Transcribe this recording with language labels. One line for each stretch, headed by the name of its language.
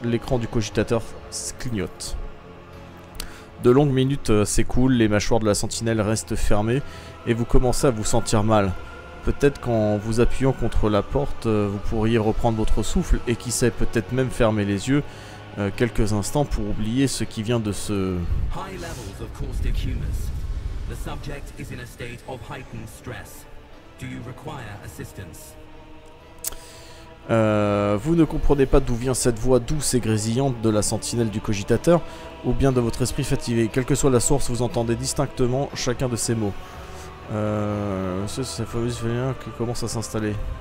French: L'écran du cogitateur clignote. De longues minutes s'écoulent, les mâchoires de la sentinelle restent fermées et vous commencez à vous sentir mal. Peut-être qu'en vous appuyant contre la porte, vous pourriez reprendre votre souffle et qui sait, peut-être même fermer les yeux. Quelques instants pour oublier ce qui vient de se...
English: High levels of caustic humus. The subject is in a state of heightened stress. Do you require assistance?
French: Vous ne comprenez pas d'où vient cette voix douce et grésillante de la sentinelle du cogitateur, ou bien de votre esprit fatigué. Quelle que soit la source, vous entendez distinctement chacun de ces mots. C'est ce fameux venin qui commence à s'installer.